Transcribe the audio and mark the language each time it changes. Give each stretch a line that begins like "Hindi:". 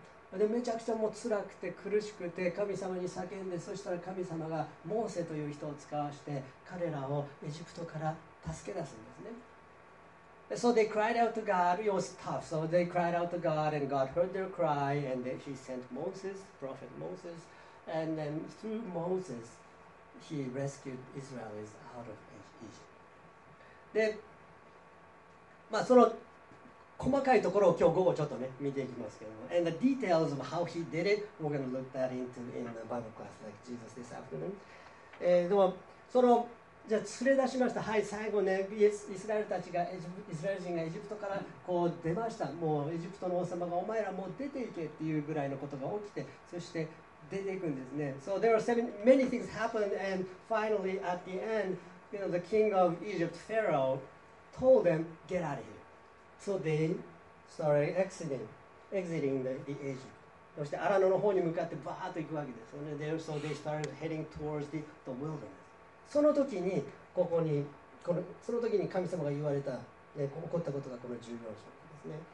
Japanese: でめちゃくちゃもう辛くて苦しくて神様に叫んで、そしたら神様がモーセという人を使わして彼らをエジプトから助け出すんですね。
English: So they cried out to God. It was tough. So they cried out to God and God heard their cry and then he sent Moses, prophet Moses. And then through Moses, he rescued Israelites out of Egypt.
Japanese: で、まあその細かいところを今日午後ちょっとね見ていきますけども、
English: and the details of how he did it, we're going to look that into in the Bible class like Jesus this afternoon.
Japanese: でもそのじゃあ連れ出しました、はい、最後ね、イスラエルたちがイスラエル人がエジプトからこう出ました、もうエジプトの王様がお前らもう出ていけっていうぐらいのことが起きて、そして出ていくんですね。
English: So there are seven many things happened and finally at the end, you know, the king of Egypt, Pharaoh, told them get out of here. So they started exiting the Egypt.
Japanese: そしてアラノの方に向かってバーッと行くわけです。
English: So they started heading towards the wilderness.
Japanese: その時にここにこのその時に神様が言われた、ね、起こったことがこの14章ですね。